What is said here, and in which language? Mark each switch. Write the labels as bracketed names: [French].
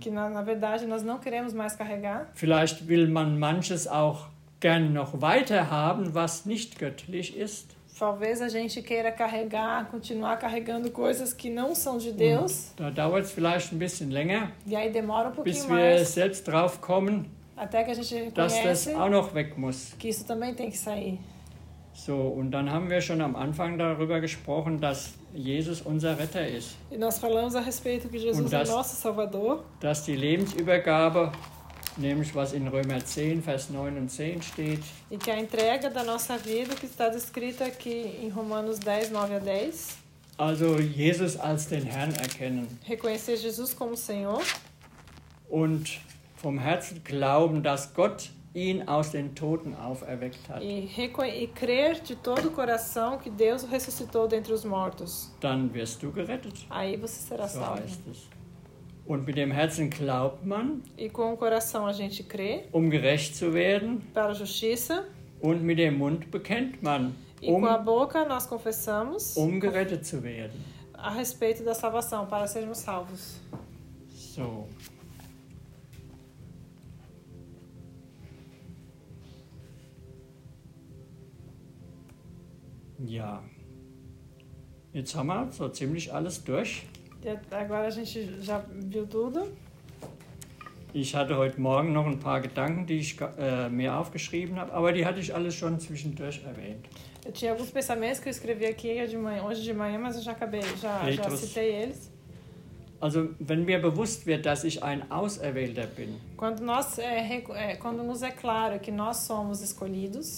[Portuguese] Que na verdade nós não queremos mais carregar. [German] Vielleicht will man manches auch gern noch weiter haben, was nicht göttlich ist. [Portuguese] Talvez a gente queira carregar, continuar carregando coisas que não são de Deus. [German] Da dauert es vielleicht ein bisschen länger, [Portuguese] e aí demora um pouquinho [German] bis wir [Portuguese] mais. [German] Selbst drauf kommen, [Portuguese] até que a gente reconhece, [German] dass das auch noch weg muss. [Portuguese] Que isso também tem que sair. [German] So, und dann haben wir schon am Anfang darüber gesprochen, dass Jesus unser Retter ist. [Portuguese] E nós falamos a respeito que Jesus [German] und [Portuguese] é nosso Salvador. [German] Dass die Lebensübergabe, nämlich was in Römer 10, Vers 9 und 10 steht. [Portuguese] E que a entrega da nossa vida que está descrita aqui em Romanos 10, 9 a 10. [German] Also Jesus als den Herrn erkennen. [Portuguese] Reconhecer Jesus como Senhor. [German] Und vom Herzen glauben, dass Gott ihn aus den Toten auferweckt hat. [Portuguese] E crer de todo o coração que Deus o ressuscitou dentre os mortos. [German] Dann wirst du gerettet. [Portuguese] Aí você será [German] so [Portuguese] salvo. [German] Heißt es. Und mit dem Herzen glaubt man. [Portuguese] E com o coração a gente crê. [German] Um gerecht zu werden. [Portuguese] Para a justiça. [German] Und mit dem Mund bekennt man. [Portuguese] E com a boca nós confessamos. [German] Um gerettet zu werden. [Portuguese] A respeito da salvação, para sermos salvos. [German] So. Ja. Jetzt haben wir so ziemlich alles durch. [Portuguese] Agora a gente já viu tudo. [German] Ich hatte heute Morgen noch ein paar Gedanken, die ich mir aufgeschrieben habe, aber die hatte ich alles schon zwischendurch erwähnt. [Portuguese] Eu tinha alguns pensamentos que eu escrevi aqui hoje de manhã, mas eu já acabei, já citei eles. [German] Also, wenn mir bewusst wird, dass ich ein Auserwählter bin. [Portuguese] Quando nos é claro que nós somos escolhidos.